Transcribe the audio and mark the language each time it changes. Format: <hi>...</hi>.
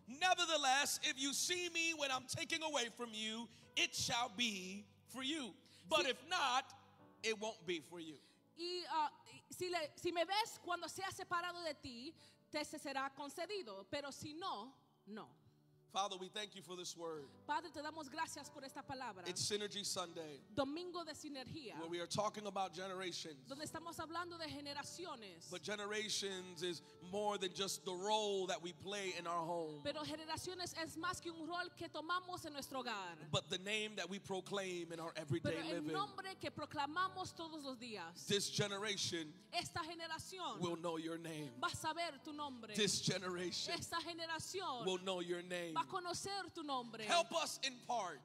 <en>Nevertheless, if you see me when I'm taking away from you, it shall be for you. But if not, it won't be for you.</en> <es>Y si me ves cuando sea separado de ti, te será concedido. Pero si no, no.</es> <en>Father, we thank you for this word.</en> <es>Padre, te damos gracias por esta palabra.</es> <en>It's Synergy Sunday.</en> <es>Domingo de Sinergia.</es> <en>Where we are talking about generations.</en> <es>Donde estamos hablando de generaciones.</es> <en>But generations is more than just the role that we play in our home.</en> <es>Pero generaciones es más que un rol que tomamos en nuestro hogar.</es> <en>But the name that we proclaim in our everyday</en> <es>Pero el</es> <en>living.</en> <es>Nombre que proclamamos todos los días.</es> <en>This generation</en> <es>esta generación</es> <en>will know your name.</en> <es>Va a saber tu nombre.</es> <en>This generation</en> <es>esta generación</es> <en>will know your name.</en> <es>Va a conocer tu nombre.</es> <en>Help us impart.</en>